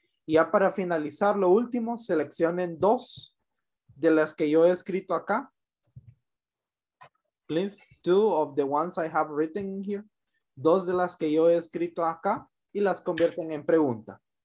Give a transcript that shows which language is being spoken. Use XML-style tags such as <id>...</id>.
<es>Y ya para finalizar, lo último, seleccionen dos de las que yo he escrito acá.</es> <en>Please, two of the ones I have written here.</en> <es>Dos de las que yo he escrito acá y las convierten en pregunta.</es>